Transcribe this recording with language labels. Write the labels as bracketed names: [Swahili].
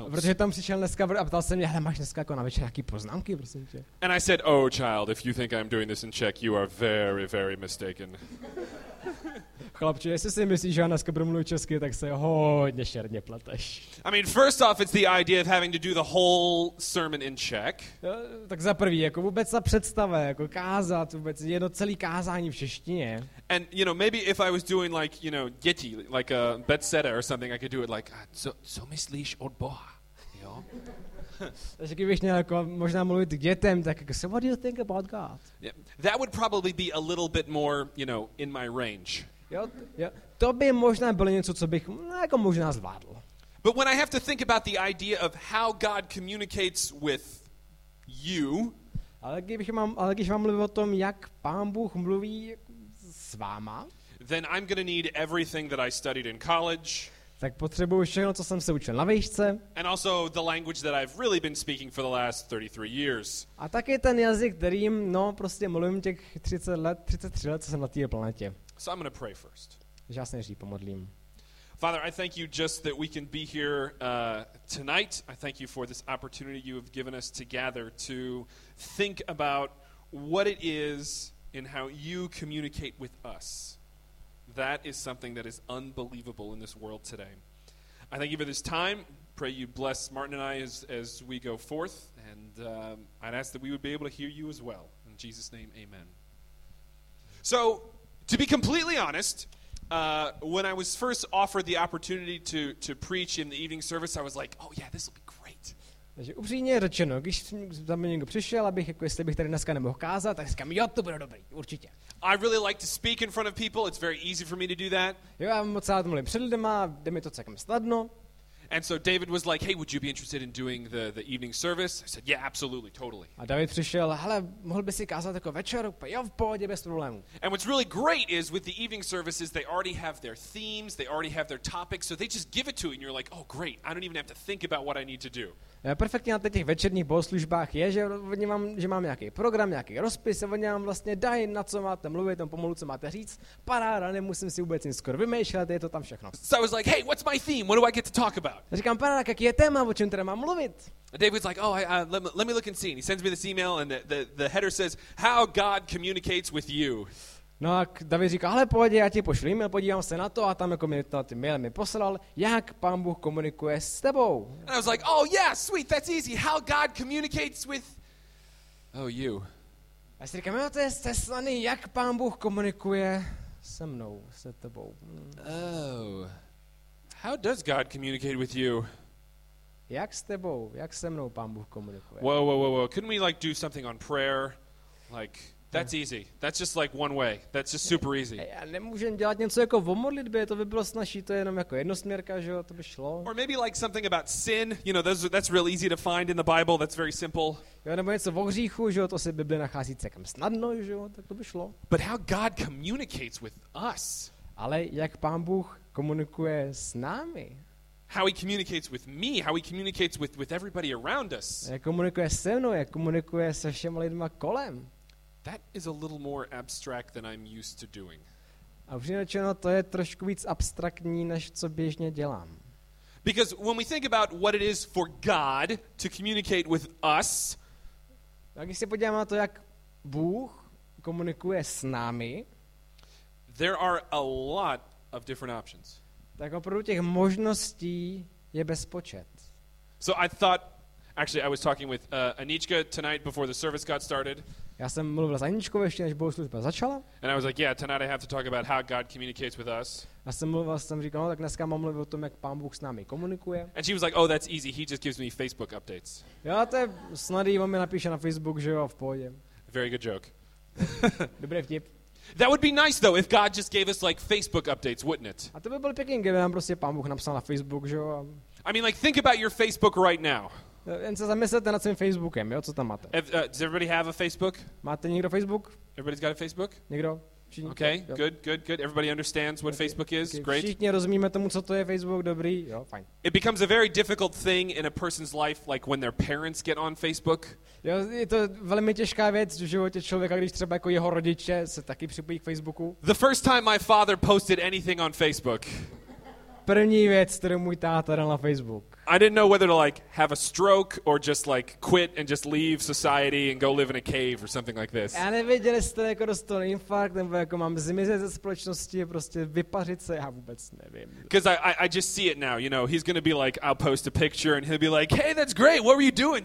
[Czech] Protože tam přišel dneska a ptal se mě, hele, máš dneska jako na večer nějaký poznámky, prosím tě. [English] And I said, oh child, if you think I'm doing this in Czech, you are very, very mistaken. [Czech] Chlapče, jestli si myslíš, že já dneska budu mluvit česky, tak se hodně šerně pleteš. [English] I mean, first off, it's the idea of having to do the whole sermon in Czech. [Czech] Tak za prvý, jako vůbec ta představa, jako kázat vůbec jedno celý kázání v češtině. [English] And, you know, maybe if I was doing, like, you know, [Czech] děti, [English] like a Betseda or something, I could do it like, [Czech] co myslíš od Boha, jo? Takže kdybych měl jako možná mluvit k dětem, tak jako, [English] so what do you think about God? Yeah, that would probably be a little bit more, you know, in my range. [Czech] Jo, to by možná bylo něco, co bych jako možná zvládl. [English] But when I have to think about the idea of how God communicates with you, [Czech] ale když mám mluvit o tom, jak Pán Bůh mluví s váma, [English] then I'm going to need everything that I studied in college. [Czech] Tak potřebuju všechno, co jsem se učil na výšce. [English] And also the language that I've really been speaking for the last 33 years. [Czech] A taky ten jazyk, kterým, no, prostě mluvím těch 33 let, co jsem na té planetě. [English] So I'm going to pray first. [Czech] Já se nejdřív pomodlím. [English] Father, I thank you just that we can be here tonight. I thank you for this opportunity you have given us to gather to think about what it is and how you communicate with us. That is something that is unbelievable in this world today. I thank you for this time. Pray you bless Martin and I as we go forth. And I'd ask that we would be able to hear you as well. In Jesus' name, amen. So, to be completely honest, when I was first offered the opportunity to preach in the evening service, I was like, oh yeah, this will be great. [Czech] Takže upřímně řečeno, když za mě někdo přišel, abych jako jestli bych tady dneska nemohl kázat, tak říkám, jo, to bude dobrý, určitě. [English] I really like to speak in front of people. It's very easy for me to do that. [Czech] Jo, já moc rád mluvím před lidma, jde mi to celkem snadno. [English] And so David was like, "Hey, would you be interested in doing the evening service?" I said, "Yeah, absolutely, totally." [Czech] A David přišel, hele, mohl bys si kázat jako večer? Jo, v pohodě, bez problémů. [English] And what's really great is with the evening services, they already have their themes, they already have their topics, so they just give it to you, and you're like, "Oh, great! I don't even have to think about what I need to do." [Czech] Perfektně na těch večerních bohoslužbách je, že mám nějaký program, nějaký rozpis, a oni vám vlastně dají, na co máte mluvit, tam pomalu, co máte říct. Paráda, nemusím si vůbec nic skoro vymýšlet, je to tam všechno. [English] So I was like, hey, what's my theme? What do I get to talk about? [Czech] A říkám, paráda, jaký je téma, o čem teda mám mluvit? [English] And David's like, oh, let me look and see. And he sends me this email and the header says, how God communicates with you. [Czech] No a David říká, ale pojď, já ti pošlu e-mail, podívám se na to, a tam jako mi ten e-mail mi poslal, jak Pán Bůh komunikuje s tebou. [English] And I was like, oh yeah, sweet, that's easy, how God communicates with, oh you. [Czech] A si říkám, jo, to je snadný, jak Pán Bůh komunikuje se mnou, se tebou. [English] Oh, how does God communicate with you? [Czech] Jak s tebou, jak se mnou Pán Bůh komunikuje? [English] Whoa, couldn't we like do something on prayer, like... That's easy. That's just like one way. That's just super easy. [Czech] Já nemůžem dělat něco jako v modlitbě, to by bylo snažší, to je jenom jako jednosměrka, že jo, to by šlo. [English] Or maybe like something about sin, you know, that's really easy to find in the Bible, that's very simple. [Czech] Jo, nebo něco o hříchu, že jo, to se v Bibli nachází celkem snadno, že jo, tak to by šlo. [English] But how God communicates with us. [Czech] Ale jak Pán Bůh komunikuje s námi? [English] How he communicates with me, how he communicates with everybody around us. [Czech] Jak komunikuje se mnou, jak komunikuje se všemi lidmi kolem. [English] That is a little more abstract than I'm used to doing. [Czech] A přinečeno, to je trošku víc abstraktní, než co běžně dělám. [English] Because when we think about what it is for God to communicate with us, [Czech] tak když se podíváme na to, jak Bůh komunikuje s námi, [English] there are a lot of different options. [Czech] Tak opravdu těch možností je bezpočet. [English] So I thought, actually I was talking with Anička tonight before the service got started. [Czech] Já jsem mluvil s Aničkou ještě, než bohoslužba začala. [English] And I was like, yeah, tonight I have to talk about how God communicates with us. [Czech] Já jsem mluvil, jsem říkal, no, tak dneska mám mluvit o tom, jak Pán Bůh s námi komunikuje. [English] And she was like, oh, that's easy, he just gives me Facebook updates. [Czech] Jo, to je snadý, on mi napíše na Facebook, že jo, v pohodě. [English] Very good joke. [Czech] Dobrý vtip. [English] That would be nice, though, if God just gave us, like, Facebook updates, wouldn't it? [Czech] A to by bylo pěkný, kdyby nám prostě Pán Bůh napsal na Facebook, že jo. [English] I mean, like, think about your Facebook right now. [Czech] Jen se zamyslete nad svým Facebookem, jo, co tam máte. [English] Does everybody have a Facebook? [Czech] Máte někdo Facebook? [English] Everybody's got a Facebook? [Czech] Někdo? Všichni? [English] Okay, [Czech] jo. [English] good. Everybody understands what okay. Facebook is, okay. Great. [Czech] Všichni rozumíme tomu, co to je Facebook, dobrý, jo, fajn. [English] It becomes a very difficult thing in a person's life, like when their parents get on Facebook. [Czech] Jo, je to velmi těžká věc v životě člověka, když třeba jako jeho rodiče se taky připojí k Facebooku. [English] The first time my father posted anything on Facebook. [Czech] První věc, kterou můj táta dal na Facebook. [English] I didn't know whether to like have a stroke or just like quit and just leave society and go live in a cave or something like this. [Czech] Já nevěděl, jestli jako dostal infarkt nebo jako mám zmizet ze společnosti, prostě vypařit se, já vůbec nevím. [English] Because I just see it now, you know, he's going to be like, I'll post a picture and he'll be like, hey, that's great, what were you doing?